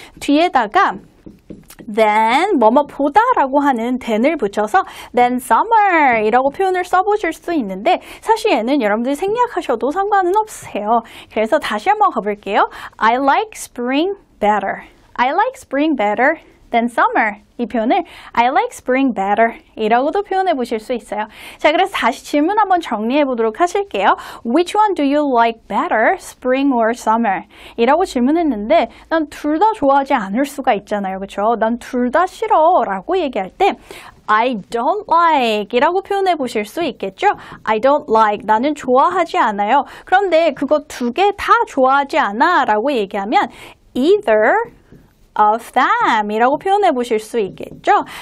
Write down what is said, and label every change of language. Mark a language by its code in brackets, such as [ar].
[ko] 뒤에다가 then 뭐뭐 보다 라고 하는 then을 붙여서 then summer 이라고 표현을 써보실 수 있는데 사실 얘는 여러분들이 생략하셔도 상관은 없으세요. 그래서 다시 한번 가볼게요. [en] I like spring better. I like spring better than summer. [ko] 이 표현을 [en] I like spring better [ko] 이라고도 표현해 보실 수 있어요. 자, 그래서 다시 질문 한번 정리해 보도록 하실게요. [en] Which one do you like better, spring or summer? [ko] 이라고 질문했는데 난 둘 다 좋아하지 않을 수가 있잖아요. 그렇죠? 난 둘 다 싫어 라고 얘기할 때 [en] I don't like [ko] 이라고 표현해 보실 수 있겠죠? [en] I don't like, [ko] 나는 좋아하지 않아요. 그런데 그거 두 개 다 좋아하지 않아 라고 얘기하면 [en] either of them [ko] 이라고 표현해 보실 수 있겠죠?